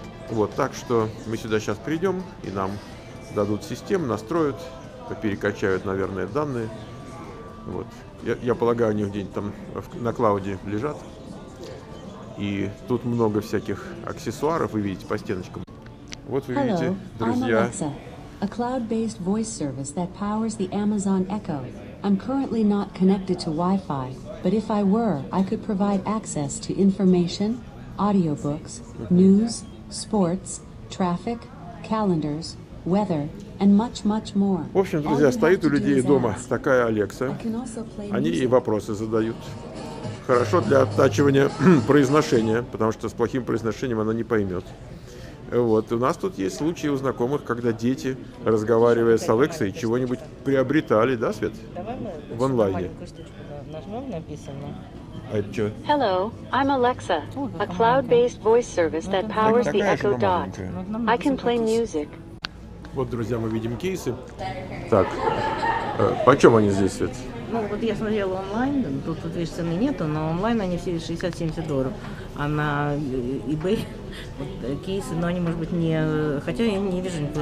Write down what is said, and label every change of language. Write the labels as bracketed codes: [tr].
[ru] Вот, так что мы сюда сейчас придем, и нам дадут систему, настроят, перекачают, наверное, данные. Вот. Я полагаю, они где-нибудь там на клауде лежат. И тут много всяких аксессуаров, вы видите, по стеночкам. Вот вы видите, друзья. [en] A cloud-based voice service that powers the Amazon Echo. I'm currently not connected to Wi-Fi, but if I were, I could provide access to information, audiobooks, news, sports, traffic, calendars, weather, and much, much more. [ru] В общем, друзья, стоит у людей дома такая Alexa. Они ей вопросы задают. Хорошо для оттачивания произношения, потому что с плохим произношением она не поймет. Вот. У нас тут есть случаи у знакомых, когда дети, разговаривая с Алексой, чего-нибудь приобретали, да, Свет? Давай в онлайне. Нажмем, написано. А что? [en] Hello, I'm Alexa, a cloud-based voice service that powers the Echo Dot. I can play music. [ru] Вот, друзья, мы видим кейсы. Так, почем они здесь, Свет? Ну, вот я смотрела онлайн, тут видишь, цены нету, но онлайн они все $60-70. А на eBay вот, кейсы, но они, может быть, не... Хотя я не вижу никакого.